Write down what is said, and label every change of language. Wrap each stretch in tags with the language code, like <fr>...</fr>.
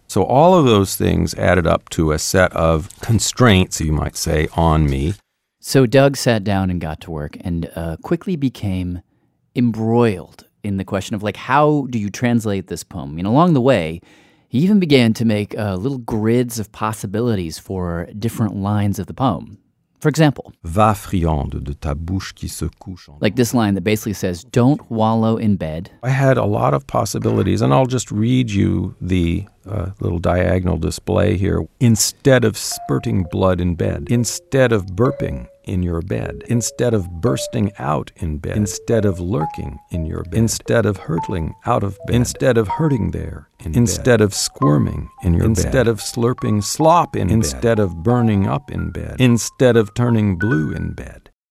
<en>So all of those things added up to a set of constraints, you might say, on me. So Doug sat down and got to work and quickly became embroiled in the question of, like, how do you translate this poem? I mean, along the way, he even began to make little grids of possibilities for different lines of the poem. For example,</en> <fr>va friande de ta bouche qui se couche.</fr> <en>Like this line that basically says, don't wallow in bed. I had a lot of possibilities, and I'll just read you the little diagonal display here. Instead of spurting blood in bed, instead of burping in your bed, instead of bursting out in bed, instead of lurking in your bed, instead of hurtling out of bed, instead of hurting there in bed, instead of squirming in your bed, instead of slurping slop in bed, instead of burning up in bed, instead of turning blue in bed.</en>